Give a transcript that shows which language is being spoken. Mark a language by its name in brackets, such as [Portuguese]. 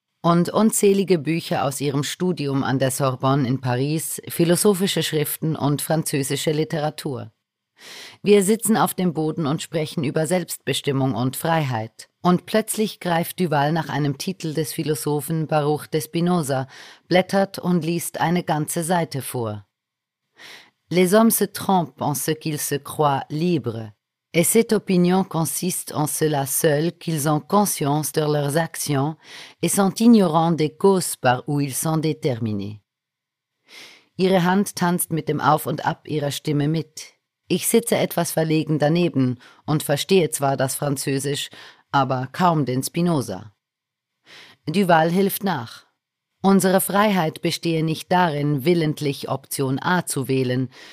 [German] Und unzählige Bücher aus ihrem Studium an der Sorbonne in Paris, philosophische Schriften und französische Literatur. Wir sitzen auf dem Boden und sprechen über Selbstbestimmung und Freiheit. Und plötzlich greift Duval nach einem Titel des Philosophen Baruch de Spinoza, blättert und liest eine ganze Seite vor. [French] Les hommes se trompent en ce qu'ils se croient libres. Et cette opinion consiste en cela seul qu'ils ont conscience de leurs actions et sont ignorants des causes par où ils sont déterminés. [German] Ihre Hand tanzt mit dem Auf und Ab ihrer Stimme mit. Ich sitze etwas verlegen daneben und verstehe zwar das Französisch, aber kaum den Spinoza. Duval hilft nach. Unsere Freiheit bestehe nicht darin, willentlich Option A zu wählen.